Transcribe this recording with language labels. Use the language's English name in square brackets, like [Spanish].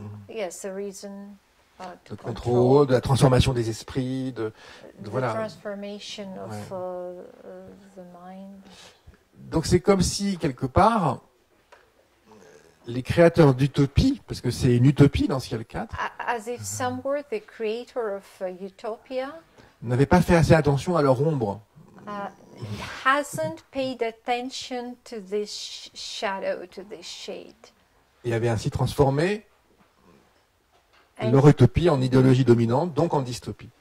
[English] Yes, the reason. [French] Le contrôle, de la transformation des esprits, de voilà. [English] The transformation of the mind. [French] Donc c'est comme si quelque part. Les créateurs d'utopie, parce que c'est une utopie dans Ciel 4, [English] as if some were the creator of utopia, [French] n'avaient pas fait assez attention à leur ombre. [English] Hasn't paid attention to this shadow, to this shade. [French] Et avait ainsi transformé leur utopie en idéologie dominante, donc en dystopie.